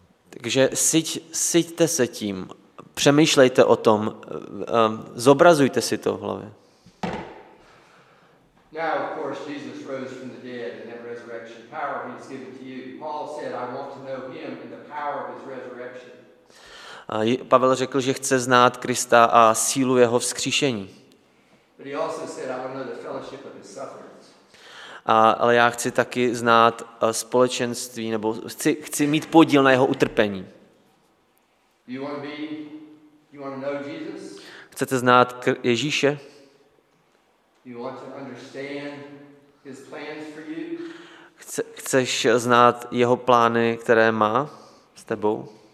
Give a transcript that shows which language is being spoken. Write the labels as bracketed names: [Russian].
[Czech] Takže siťte se tím, přemýšlejte o tom, zobrazujte si to v hlavě. [English] Now of course Jesus rose from the dead and that resurrection power he has given to you. Paul said I want to know him and the power of his resurrection. [Czech] A Pavel řekl, že chce znát Krista a sílu jeho vzkříšení. [English] But he also said I want to know the fellowship of his sufferings. [Czech] Ale já chci taky znát společenství nebo chci mít podíl na jeho utrpení. [English] You want to know Jesus? [Czech] Chcete znát Ježíše? [English] You want to understand his plans for you? [Czech] Chceš znát jeho plány, které má s tebou?